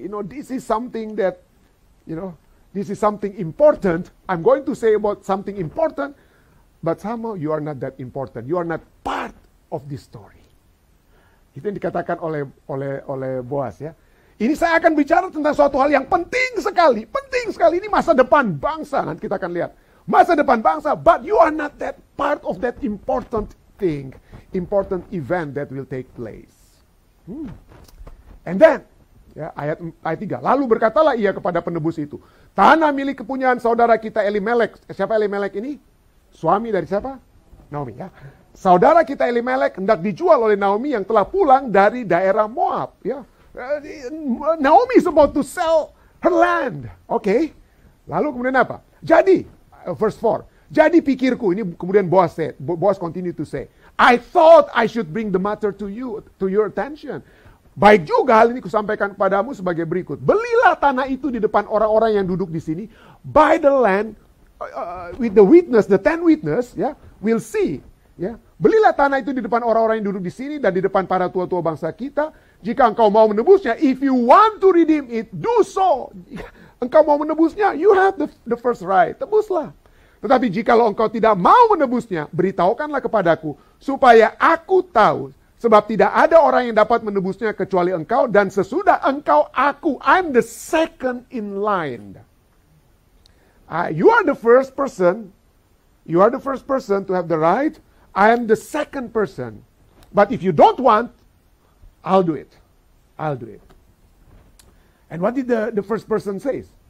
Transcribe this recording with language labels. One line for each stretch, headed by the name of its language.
English: You know, this is something that, you know, this is something important. I'm going to say about something important. But somehow you are not that important. You are not part of this story.
Indonesian: Itu yang dikatakan oleh Boaz ya. Ini saya akan bicara tentang suatu hal yang penting sekali. Penting sekali. Ini masa depan bangsa. Nanti kita akan lihat. Masa depan bangsa.
English: But you are not that part of that important thing. Important event that will take place. And then.
Indonesian: Ya, ayat 3. Lalu berkatalah ia kepada penebus itu. Tanah milik kepunyaan saudara kita Elimelek. Siapa Elimelek ini? Suami dari siapa? Naomi ya. Saudara kita Elimelek hendak dijual oleh Naomi yang telah pulang dari daerah Moab. Ya.
English: Naomi is about to sell her land.
Indonesian: Okay. Lalu kemudian apa? Jadi, verse 4. Jadi pikirku, ini kemudian Boaz
English: continue to say. I thought I should bring the matter to your attention.
Indonesian: Baik juga hal ini kusampaikan kepadamu sebagai berikut. Belilah tanah itu di depan orang-orang yang duduk di sini.
English: Buy the land. With the witness, the 10 witness, ya, yeah, we'll see, ya. Yeah.
Indonesian: Belilah tanah itu di depan orang-orang yang duduk di sini dan di depan para tua-tua bangsa kita. Jika engkau mau menebusnya,
English: if you want to redeem it, do so.
Indonesian: Engkau mau menebusnya,
English: you have the first right,
Indonesian: tebuslah. Tetapi jika engkau tidak mau menebusnya, beritahukanlah kepadaku supaya aku tahu, sebab tidak ada orang yang dapat menebusnya kecuali engkau dan sesudah engkau aku.
English: I'm the second in line. You are the first person. You are the first person to have the right. I am the second person. But if you don't want, I'll do it. And what did the first person say?